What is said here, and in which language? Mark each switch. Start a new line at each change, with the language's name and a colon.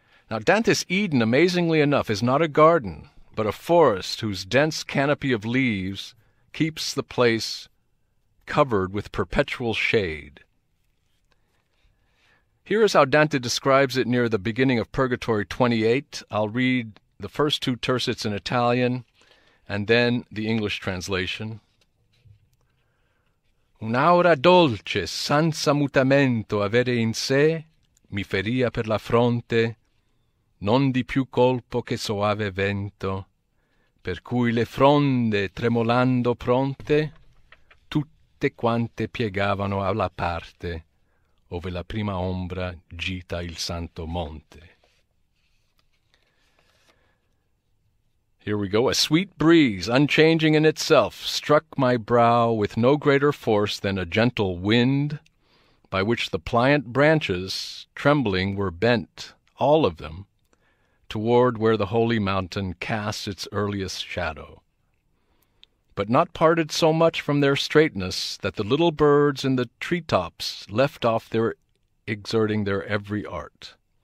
English: Now, Dante's Eden, amazingly enough, is not a garden, but a forest whose dense canopy of leaves keeps the place covered with perpetual shade. Here is how Dante describes it near the beginning of Purgatory 28. I'll read the first two tercets in Italian and then the English translation.
Italian: Un'aura dolce senza mutamento avere in sé mi feria per la fronte. Non di più colpo che soave vento, per cui le fronde tremolando pronte, tutte quante piegavano alla parte ove la prima ombra gita il santo monte.
English: Here we go. A sweet breeze, unchanging in itself, struck my brow with no greater force than a gentle wind, by which the pliant branches, trembling, were bent, all of them, toward where the holy mountain casts its earliest shadow, but not parted so much from their straightness that the little birds in the treetops left off their exerting their every art.